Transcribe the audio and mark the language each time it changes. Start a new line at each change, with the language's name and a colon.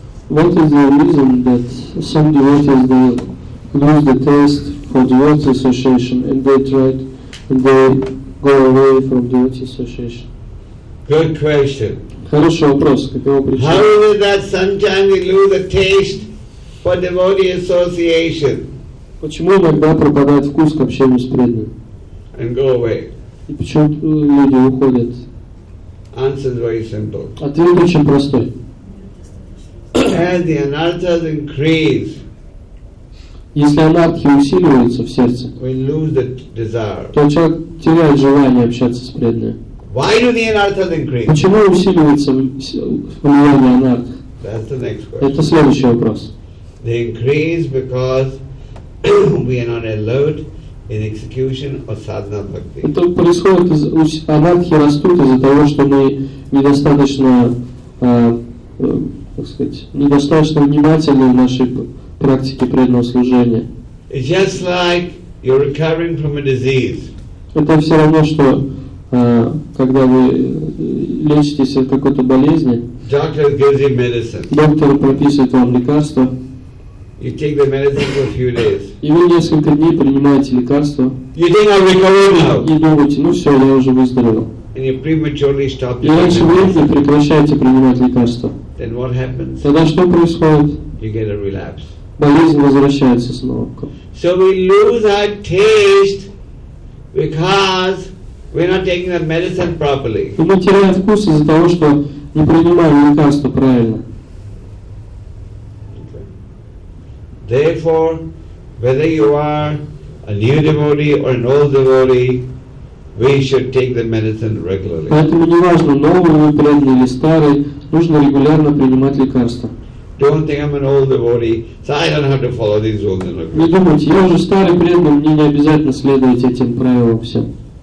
English: What is the reason that some devotees they lose the taste for devotee association and they try and they go away from devotee association? Good question.
Russian: Хороший вопрос. Какова причина?
English: How is it that sometimes we lose the taste for devotee association?
Russian: Почему иногда пропадает вкус к общению с преданными?
English: And go away.
Russian: И почему люди уходят?
English: Answer is very simple.
Russian: Ответ очень простой.
English: As the anarthas increase,
Russian: если анархи усиливаются в сердце,
English: we lose the desire.
Russian: То человек теряет желание общаться с преданными.
English: Why do the anarthas increase?
Russian: Почему усиливается влияние анарх?
English: That's the next question.
Russian: Это следующий вопрос.
English: They increase because we are not alert in execution of sadhana bhakti.
Russian: Это происходит из анархи растут из-за того, что мы недостаточно так сказать, недостаточно внимательны в нашей практике преданного служения.
English: Just like you're recovering from a disease.
Russian: Это все равно, что когда вы лечитесь от какой-то болезни,
English: doctor gives you medicine.
Russian: Доктор прописывает вам лекарство.
English: You take the medicine for a few days.
Russian: И вы несколько дней принимаете лекарство.
English: You think I'm recovering now.
Russian: И думаете, ну все, я уже выздоровел.
English: And you prematurely stop.
Russian: И раньше времени прекращаете принимать лекарство.
English: Then what happens?
Russian: Тогда что происходит?
English: You get a relapse.
Russian: Болезнь возвращается снова.
English: So we lose our taste because we're not taking the medicine properly.
Russian: И мы теряем вкус из-за того, что не принимаем лекарство правильно.
English: Therefore, whether you are a new devotee or an old devotee, we should take the medicine regularly.
Russian: Поэтому не важно, новый вы преданный или старый, нужно регулярно принимать лекарства.
English: Don't think I'm an old devotee, so I don't have to follow these rules.
Russian: Не думайте, я уже старый преданный, мне не обязательно следовать этим правилам всем.